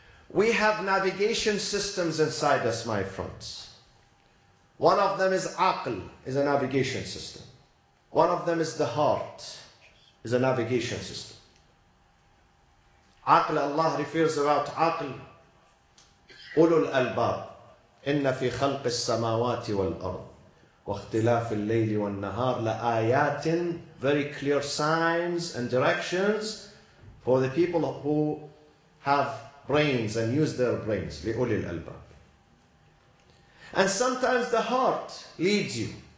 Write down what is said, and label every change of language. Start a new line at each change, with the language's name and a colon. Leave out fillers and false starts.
English: We have navigation systems inside us, my friends. One of them is aql, is a navigation system. One of them is the heart, is a navigation system. Aql, Allah refers about aql.
Arabic: أولو الألباب إن في خلق السماوات والأرض واختلاف الليل والنهار لآيات.
English: Very clear signs and directions for the people who have brains and use their brains.
Arabic: لأولي الألباب.
English: And sometimes the heart leads you.